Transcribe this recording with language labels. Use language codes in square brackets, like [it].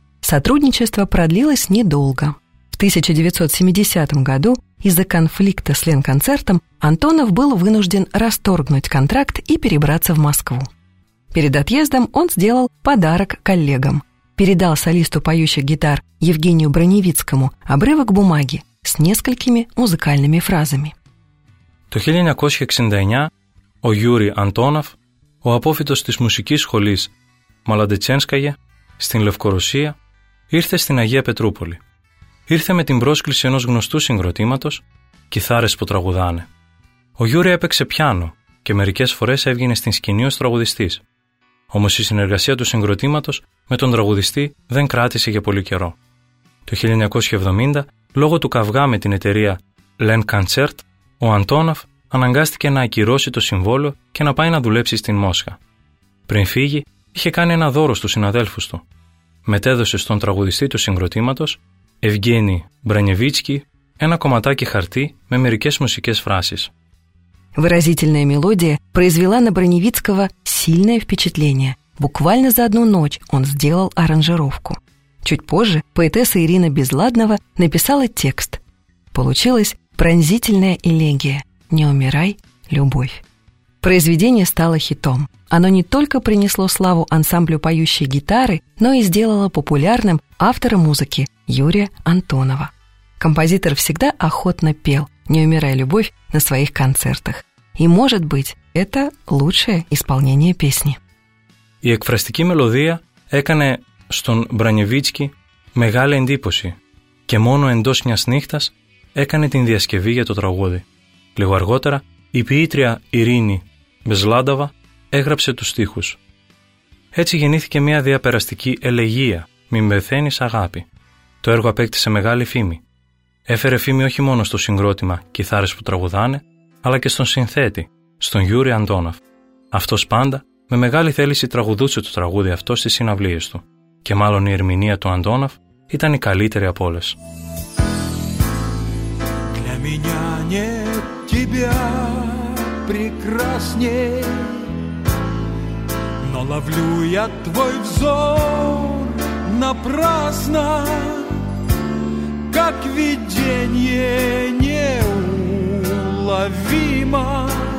[ru] Сотрудничество продлилось недолго. В 1970 году из-за конфликта с Ленконцертом Антонов был вынужден расторгнуть контракт и перебраться в Москву. Перед отъездом он сделал подарок коллегам. передал солисту поющих гитар Евгению Броневицкому обрывок бумаги с несколькими музыкальными фразами. [el] Το 1969 ο Γιούρι Αντόνοφ, ο απόφοιτος της μουσικής σχολής Μαλαντετσένσκαγε στην Λευκορωσία, ήρθε στην Αγία Πετρούπολη. Ήρθε με την πρόσκληση ενός γνωστού συγκροτήματος, κιθάρες που τραγουδάνε. Ο Γιούρι έπαιξε πιάνο και μερικές φορές έβγαινε στην σκηνή ως τραγουδιστής. Όμως η συνεργασία του συγκροτήματος με τον τραγουδιστή δεν κράτησε για πολύ καιρό. Το 1970, λόγω του καυγά με την εταιρεία Len Concert, ο Αντόνοφ αναγκάστηκε να ακυρώσει το συμβόλαιο και να πάει να δουλέψει στην Μόσχα. Πριν φύγει, είχε κάνει ένα δώρο στους συναδέλφους του. Μετέδωσε στον τραγουδιστή του συγκροτήματος, Ευγένη Μπρανιεβίτσκι, ένα κομματάκι χαρτί με μερικές μουσικές φράσεις. [ru] Выразительная мелодия произвела на Броневицкого сильное впечатление. Буквально за одну ночь он сделал аранжировку. Чуть позже поэтесса Ирина Безладнова написала текст. Получилась пронзительная элегия «Не умирай, любовь». Произведение стало хитом. Оно не только принесло славу ансамблю поющей гитары, но и сделало популярным автора музыки Юрия Антонова. Композитор всегда охотно пел «Не умирай, любовь» на своих концертах. И, может быть, это лучшее исполнение песни. [el] Η εκφραστική μελωδία έκανε στον Μπρανιεβίτσκι μεγάλη εντύπωση και μόνο εντός μιας νύχτας έκανε την διασκευή για το τραγούδι. Λίγο αργότερα, η ποιήτρια Ειρήνη Μπεσλάνταβα έγραψε τους στίχους. Έτσι γεννήθηκε μια διαπεραστική ελεγία «Μην πεθαίνεις αγάπη». Το έργο απέκτησε μεγάλη φήμη. Έφερε φήμη όχι μόνο στο συγκρότημα «Κιθάρες που τραγουδάνε», αλλά και στον συνθέτη, στον Γιούρι Αντόνοφ. Αυτός πάντα με μεγάλη θέληση τραγουδούσε το τραγούδι αυτό στις συναυλίες του. Και μάλλον η ερμηνεία του Αντόνοφ ήταν η καλύτερη από όλες. [ru] Для меня нет тебя прекрасней, но ловлю я твой взор напрасно, как видение неуловимо.